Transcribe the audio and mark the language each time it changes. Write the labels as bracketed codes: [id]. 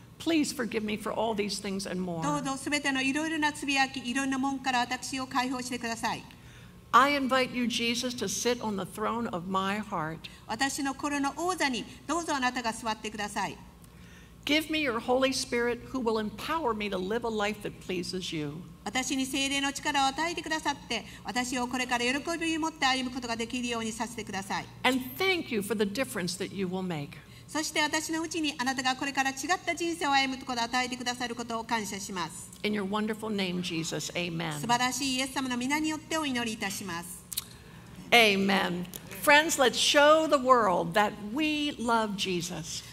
[en] Please forgive me for all these things and more. [ja] どうぞすべてのいろいろなつぶやき、いろんな門から私を解放してください。 [en] I invite you, Jesus, to sit on the throne of my heart. [ja] 私の心の王座にどうぞあなたが座ってください。 [en] Give me your Holy Spirit who will empower me to live a life that pleases you. [ja] 私に聖霊の力を与えてくださって、私をこれから喜びを持って歩むことができるようにさせてください。 [en] And thank you for the difference that you will make. [ja] そして私のうちにあなたがこれから違った人生を歩むことを与えてくださることを感謝します。 [en] In your wonderful name, Jesus, amen. [ja] 素晴らしいイエス様の皆によってお祈りいたします。 [en] Amen. Friends, let's show the world that we love Jesus.